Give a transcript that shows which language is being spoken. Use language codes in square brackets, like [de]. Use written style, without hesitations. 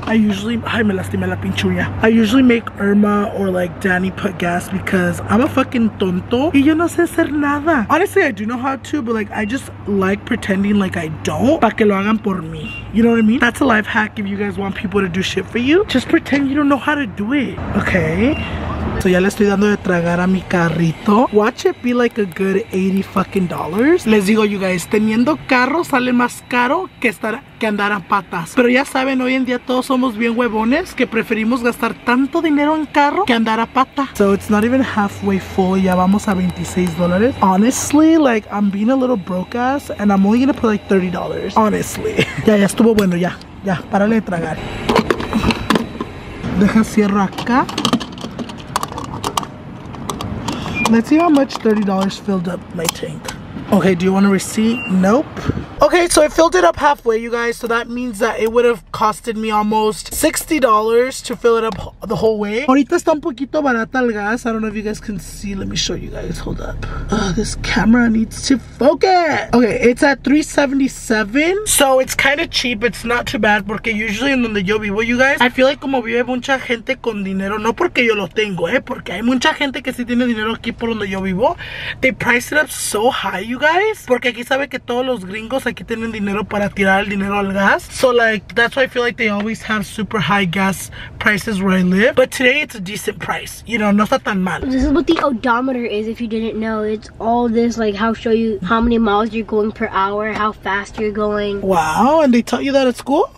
[en] I usually make Irma or like Danny put gas because I'm a fucking tonto [es] y yo no sé hacer nada. [en] Honestly, I do know how to, but like I just like pretending like I don't, [es] pa que lo hagan por mí. [en] You know what I mean? That's a life hack. If you guys want people to do shit for you, just pretend you don't know how to do it. [es] Okay, so ya le estoy dando de tragar a mi carrito. [en] Watch it be like a good $80. [es] Les digo, [en] you guys, [es] teniendo carro sale más caro que andar a patas. Pero ya saben, hoy en día todos somos bien huevones que preferimos gastar tanto dinero en carro que andar a pata. [en] So it's not even halfway full. [es] Ya vamos a $26. [en] Honestly, like, I'm being a little broke ass and I'm only gonna put like $30. [es] Honestly. Ya estuvo bueno, ya. Párale de tragar. Deja cierro acá. [en] Let's see how much $30 filled up my tank. Okay, do you want a receipt? Nope. Okay, so it filled it up halfway, you guys. So that means that it would have costed me almost $60 to fill it up the whole way. [es] Ahorita está un poquito barata el gas. [en] I don't know if you guys can see. Let me show you guys. Hold up. Oh, this camera needs to focus. Okay, it's at $3.77. So it's kind of cheap. It's not too bad. [es] Porque usually en donde yo vivo, [en] you guys, I feel like [es] como vive mucha gente con dinero. No porque yo lo tengo, eh. Porque hay mucha gente que sí tiene dinero aquí por donde yo vivo. [en] They price it up so high, you guys. [es] Porque aquí sabe que todos los gringos aquí tienen dinero para tirar el dinero al gas. [en] So like, that's why I feel like they always have super high gas prices where I live. But today it's a decent price, you know, [es] no está tan mal. [en] This is what the odometer is, if you didn't know. It's all this, like, how show you how many miles you're going per hour, how fast you're going. Wow, and they taught you that at school?